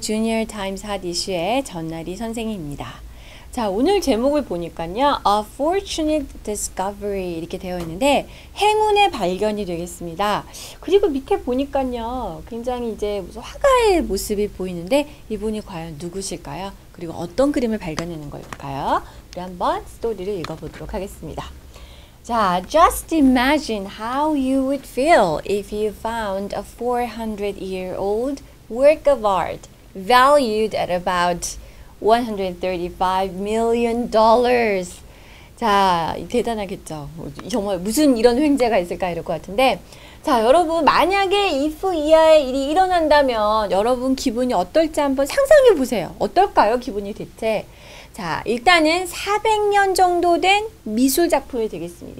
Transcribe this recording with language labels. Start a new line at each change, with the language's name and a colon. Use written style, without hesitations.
Korean: 주니어 타임즈 핫 이슈의 전나리 선생님입니다. 자, 오늘 제목을 보니까요, A Fortunate Discovery 이렇게 되어 있는데 행운의 발견이 되겠습니다. 그리고 밑에 보니까요, 굉장히 이제 무슨 화가의 모습이 보이는데 이분이 과연 누구실까요? 그리고 어떤 그림을 발견하는 걸까요? 우리 한번 스토리를 읽어보도록 하겠습니다.
English: 자, just imagine how you would feel if you found a 400-year-old work of art valued at about $135 million.
Korean: 자, 대단하겠죠. 정말 무슨 이런 횡재가 있을까 이럴 것 같은데, 자, 여러분 만약에 if 이하의 일이 일어난다면 여러분 기분이 어떨지 한번 상상해 보세요. 어떨까요, 기분이 대체? 자, 일단은 400년 정도 된 미술 작품이 되겠습니다.